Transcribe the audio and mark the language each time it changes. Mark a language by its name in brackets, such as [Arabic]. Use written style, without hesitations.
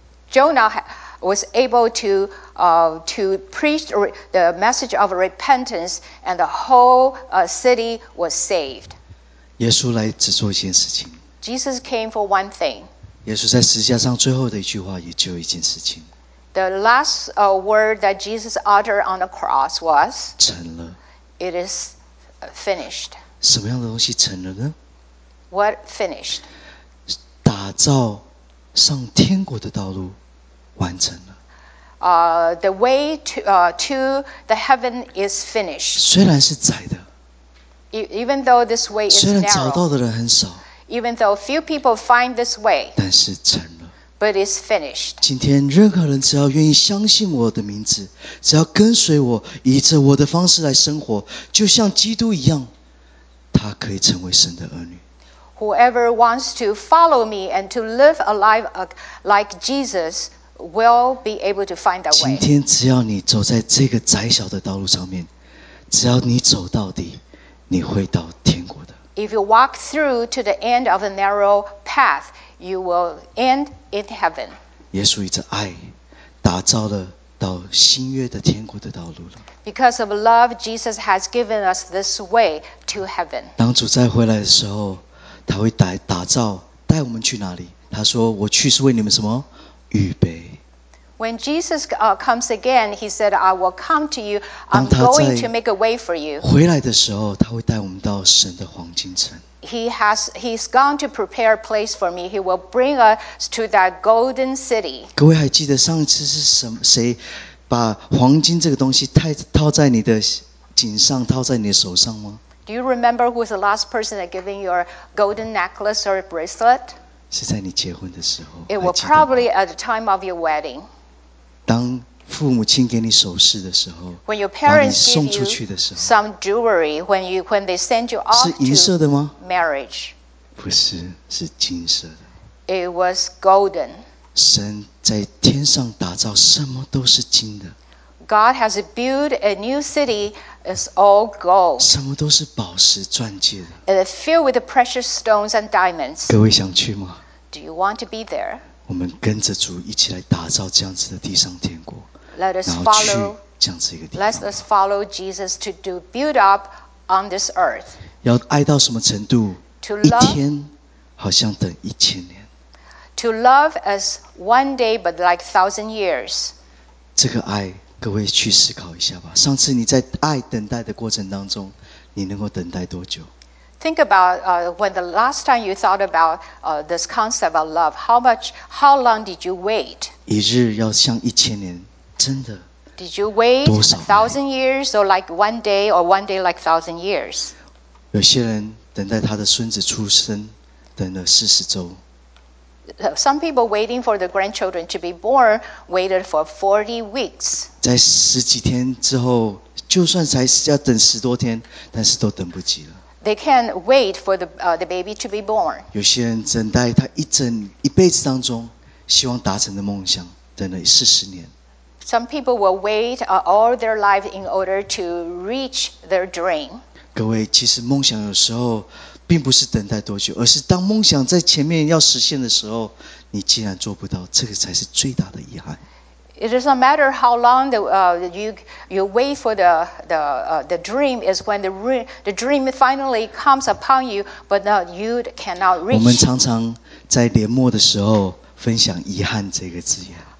[English] Jonah was able to preach the message of repentance and the whole city was saved. [Chinese] 耶稣来只做一件事情。 [English] Jesus came for one thing. [Chinese] 耶稣在十字架上最后的一句话也只有一件事情。 [English] The last word that Jesus uttered on the cross was [Chinese] 成了。 [English] It is finished. [Chinese] 什么样的东西成了呢？ [English] What finished? [Chinese] 打造上天国的道路完成了。 [English] The way to the heaven is finished. [Chinese] 虽然是窄的。 [English] Even though this way is narrow. [Chinese] 虽然找到的人很少。 [English] Even though few people find this way, [Chinese] 但是成了。 [English] But it's finished. [Chinese] 今天任何人只要愿意相信我的名字，只要跟随我，以着我的方式来生活，就像基督一样，他可以成为神的儿女。 [English] Whoever wants to follow me and to live a life like Jesus will be able to find that way. [Chinese] 今天只要你走在这个窄小的道路上面，只要你走到底，你会到天国的。 [English] If you walk through to the end of a narrow path, you will end in heaven. [Chinese] 耶稣以着爱打造了到新约的天国的道路了。 [English] Because of love, Jesus has given us this way to heaven. [Chinese] 当主再回来的时候，他会打造带我们去哪里？他说：“我去是为你们什么预备？” [English] When Jesus comes again, he said, "I will come to you. I'm going to make a way for you." [Chinese] 回来的时候，他会带我们到神的黄金城。 [English] He's gone to prepare a place for me. He will bring us to that golden city. [Chinese] 各位还记得上一次是谁把黄金这个东西套在你的颈上，套在你的手上吗？ [English] Do you remember who was the last person that giving your golden necklace or bracelet? [Chinese] 是在你结婚的时候。 [English] It was probably at the time of your wedding. [Chinese] 当父母亲给你首饰的时候 [English] when your parents [Chinese] 把你送出去的时候 [English] some jewelry, when they send you off [Chinese] 是银色的吗 [English] marriage [Chinese] 不是是金色的 [English] it was golden [Chinese] 神在天上打造什么都是金的 [English] God has built a new city it's all gold [Chinese] 什么都是宝石钻戒的 [English] it is filled with the precious stones and diamonds [Chinese] 各位想去吗 [English] do you want to be there? [Chinese] 我们跟着主一起来打造这样子的地上天国 [English] let us [Chinese] 然后去这样子一个地方 [English] let us follow Jesus to do build up on this earth [Chinese] 要爱到什么程度 [English] to love, [Chinese] 一天好像等一千年 [English] to love as one day but like thousand years [Chinese] 这个爱各位去思考一下吧上次你在爱等待的过程当中你能够等待多久 [English] Think about when the last time you thought about this concept of love. How long did you wait? [Chinese] 一日要像一千年，真的。 [English] Did you wait a thousand years or like one day or one day like thousand years? [Chinese] 有些人等待他的孙子出生，等了四十周。 [English] Some people waiting for their grandchildren to be born waited for 40 weeks. [Chinese] 在十几天之后，就算才要等十多天，但是都等不及了。 [English] They can't wait for the baby to be born. [Chinese] 有些人等待他一辈子当中希望达成的梦想，等了四十年。 [English] Some people will wait all their life in order to reach their dream. [Chinese] 各位，其实梦想有时候并不是等待多久，而是当梦想在前面要实现的时候，你既然做不到，这个才是最大的遗憾。 [English] It does not matter how long you wait for the dream is when the dream finally comes upon you, but not you cannot reach. [Chinese] 我们常常在年末的时候分享遗憾这个字眼。